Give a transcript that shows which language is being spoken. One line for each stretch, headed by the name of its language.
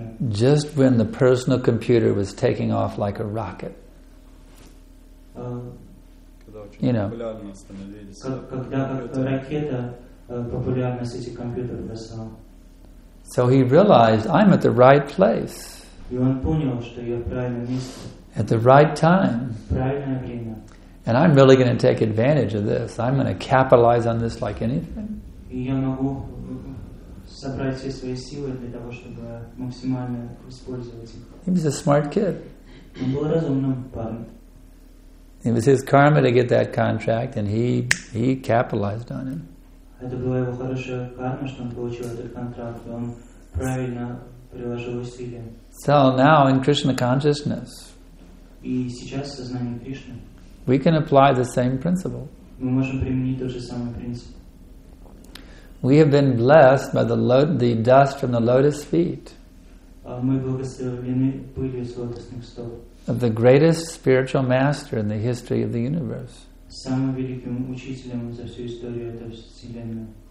English: Just when the personal computer was taking off like a rocket.
Russian: очень популярно становились. Когда как-то ракета популярность этих компьютеров достала.
English: So he realized, I'm at the right place.
Russian: И он понял, что я в правильном месте.
English: At the right time.
Russian: Правильное время.
English: And I'm really going to take advantage of this. I'm going to capitalize on this like anything.
Russian: И я могу собрать все свои силы для того, чтобы максимально использовать их.
English: He was a smart kid.
Russian: Он был разумным парнем.
English: It was his karma to get that contract, and he capitalized on it.
Russian: Это была его хорошая карма, что он получил этот контракт, и он правильно приложил усилия.
English: So now in Krishna consciousness,
Russian: и сейчас в сознании Кришны,
English: we can apply the same principle.
Russian: Мы можем применить тот же самый принцип.
English: We have been blessed by the dust from the lotus feet.
Russian: Мы благословлены пылью с лотосных стоп.
English: Of the greatest spiritual master in the history of the universe.
Russian: Самым великим учителем за всю историю этой вселенной.